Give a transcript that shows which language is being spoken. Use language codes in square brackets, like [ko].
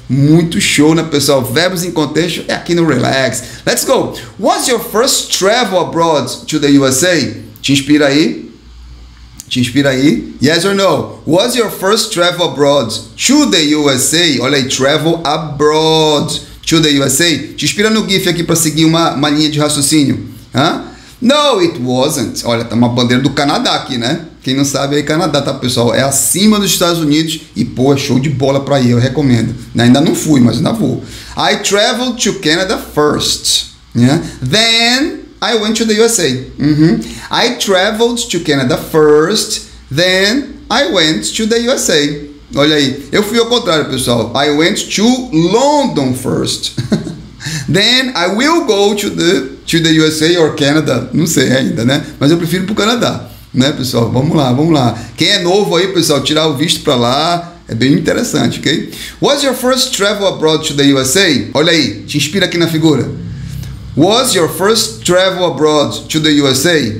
[pt] Muito show, né, pessoal? Verbos em contexto é aqui no Relax. [en] Let's go. What's your first travel abroad to the USA? [pt] Te inspira aí? Te inspira aí? [en] Yes or no? What's your first travel abroad to the USA? [pt] Olha aí, [en] travel abroad to the USA. [pt] Te inspira no GIF aqui para seguir uma linha de raciocínio. Hã? [en] No, it wasn't. [pt] Olha, tá uma bandeira do Canadá aqui, né? Quem não sabe aí, Canadá, tá, pessoal? É acima dos Estados Unidos e, pô, é show de bola pra ir, eu recomendo. Ainda não fui, mas ainda vou. [en] I traveled to Canada first. Yeah? Then I went to the USA. Uhum. I traveled to Canada first. Then I went to the USA. [pt] Olha aí. Eu fui ao contrário, pessoal. [en] I went to London first. Then I will go to the USA or Canada. [pt] Não sei ainda, né? Mas eu prefiro pro Canadá. Né, pessoal? Vamos lá, vamos lá. Quem é novo aí, pessoal, tirar o visto pra lá é bem interessante, ok? [en] Was your first travel abroad to the USA? [pt] Olha aí, te inspira aqui na figura. [en] Was your first travel abroad to the USA?